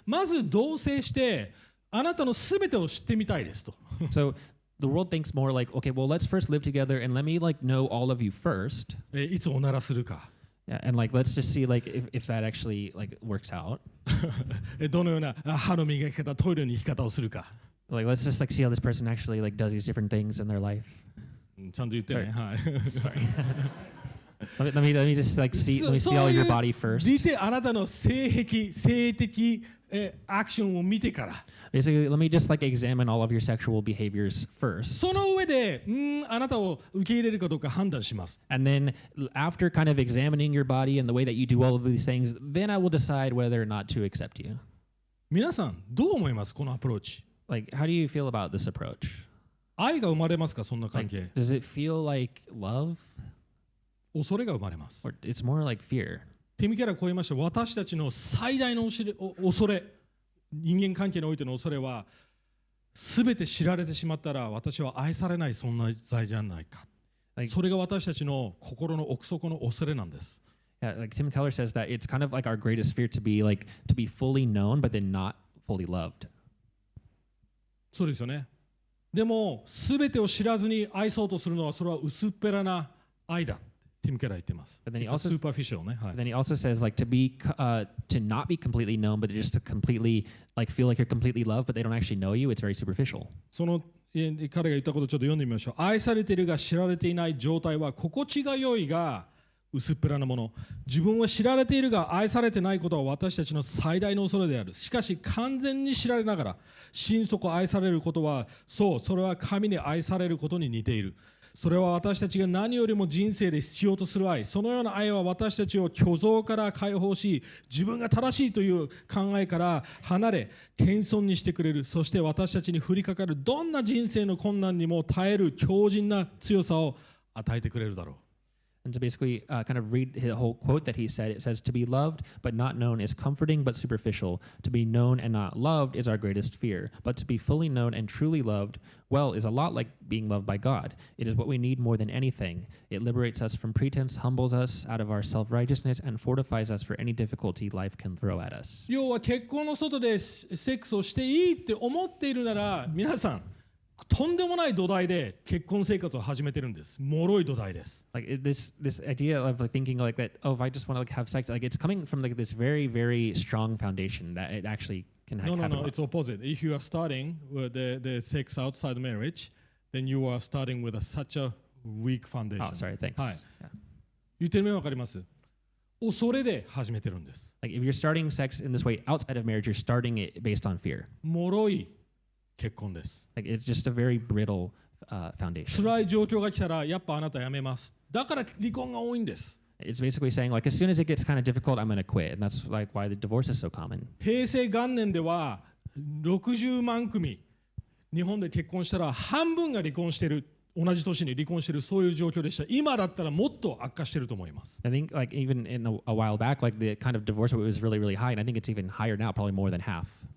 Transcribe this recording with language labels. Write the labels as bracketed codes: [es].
[ja] まず同棲して、あなたのすべてを知ってみたいですと。 [en] So, the world thinks more like, okay, well, let's first live together and let me, like, know all of you first. [ja] いつおならするか。 [en] Yeah, and, like, let's just see, like, if that actually, like, works out. [ja] どのような歯の磨き方、トイレの行き方をするか。 [en] Like, let's just, like, see how this person actually, like, does these different things in their life. [ja] ちゃんと言ってね、はい。 [en] Sorry. Let me see all your body first. [ja] 見てあなたの性癖、性的アクションを見てから。 [en] Basically, let me just like examine all of your sexual behaviors first. [ja] その上で、あなたを受け入れるかどうか判断します。 [en] And then after kind of examining your body and the way that you do all of these things, then I will decide whether or not to accept you. [ja] 皆さんどう思いますこのアプローチ [en] ？Like, how do you feel about this approach? [ja] 愛が生まれますかそんな関係 [en] like, ？Does it feel like love? [ja] 恐れが生まれます。 [en] Or it's more like fear. [ja] ティム・ケラーこう言いました。私たちの最大の恐れ、人間関係においての恐れは、すべて知られてしまったら私は愛されない存在じゃないか。 Like, それが私たちの心の奥底の恐れなんです。 [en] Yeah, like Tim Keller says that it's kind of like our greatest fear to be like to be fully known but then not fully loved. [ja] そうですよね。でも、すべてを知らずに愛そうとするのはそれは薄っぺらな愛だ。ティムケラー言ってます。 [en] But then he also, it's a superficial, [ja] ね。はい。 [en] Then he also says like to be, to not be completely known, but just to completely like feel like you're completely loved, but they don't actually know you. It's very superficial. [ja] その彼が言ったことをちょっと読んでみましょう。愛されているが知られていない状態は心地が良いが薄っぺらなもの。自分は知られているが愛されてないことは私たちの最大の恐れである。しかし完全に知られながら心底愛されることはそう、それは神に愛されることに似ている。それは私たちが何よりも人生で必要とする愛。そのような愛は私たちを虚像から解放し、自分が正しいという考えから離れ、謙遜にしてくれる。そして私たちに降りかかるどんな人生の困難にも耐える強靭な強さを与えてくれるだろう。 [en] And to basically kind of read the whole quote that he said, it says, to be loved but not known is comforting but superficial. To be known and not loved is our greatest fear. But to be fully known and truly loved, well, is a lot like being loved by God. It is what we need more than anything. It liberates us from pretense, humbles us out of our self-righteousness, and fortifies us for any difficulty life can throw at us. [ja] 要は結婚の外でセックスをしていいって思っているなら、皆さん、とんでもない土台で結婚生活を始めてるんです。脆い土台です。 [en] Like this idea of thinking like that, oh, if I just want to like have sex, like it's coming from like this very, very strong foundation that it actually can happen. No, it's opposite. If you are starting with the sex outside marriage, then you are starting with such a weak foundation. Oh, sorry, thanks. [ja] はい。言ってる意味わかります。恐れで始めてるんです。 [en] Like if you're starting sex in this way outside of marriage, you're starting it based on fear. [ja] 脆い。結婚です。 [en] Like it's just a very brittle foundation. [ja] 辛い状況が来たらやっぱあなた辞めます。だから離婚が多いんです。 [en] It's basically saying like as soon as it gets kind of difficult, I'm gonna quit. And that's like why the divorce is so common. [ja] 平成元年では60万組日本で結婚したら半分が離婚してる。同じ年に離婚してるそういう状況でした。今だったらもっと悪化してると思います。 [en] I think like even in a while back, like the kind of divorce rate was really, really high, and I think it's even higher now, probably more than half.